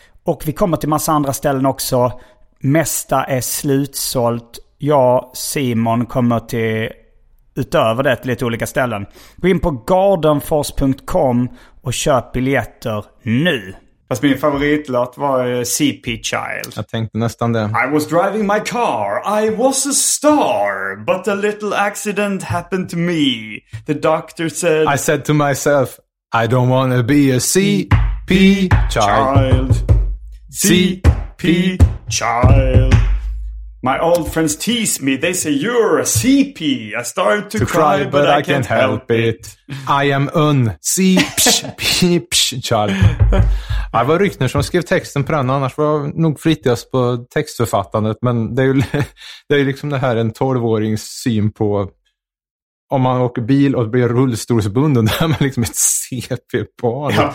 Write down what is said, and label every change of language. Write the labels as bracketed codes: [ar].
[sv] Och vi kommer till massa andra ställen också. Mesta är slutsålt. Jag, Simon, kommer till utöver det till lite olika ställen. Gå in på gardenfors.com och köp biljetter nu. Fast min favoritlåt var CP Child. Jag tänkte nästan det. [en] I was driving my car, I was a star, but a little accident happened to me. The doctor said, I said to myself, I don't want to be a CP Child. CP Child. My old friends tease me, they say you're a CP. I started to cry, but I can't help it. I am un CP Child. [sv] Det var Ryckner som skrev texten på den, annars var jag nog flitigast på textförfattandet. Men det är ju liksom det här en 12-årings syn på om man åker bil och blir rullstolsbunden. Det här med liksom ett CP-barn.